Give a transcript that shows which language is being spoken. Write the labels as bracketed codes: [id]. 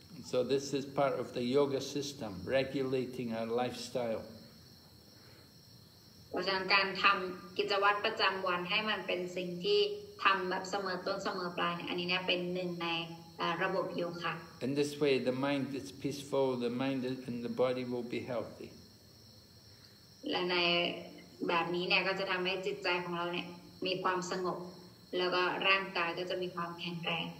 [en] So this is part of the yoga system regulating our lifestyle [th] เพราะฉะนั้นการทำกิจวัตรประจำวันให้มันเป็นสิ่งที่ทำแบบเสมอต้นเสมอปลายอันนี้เนี่ยเป็นหนึ่งในระบบโยคะ [en] In this way the mind is peaceful the mind and the body will be healthy [th] และในแบบนี้เนี่ยก็จะทำให้จิตใจของเราเนี่ยมีความสงบแล้วก็ร่างกายก็จะมีความแข็งแรง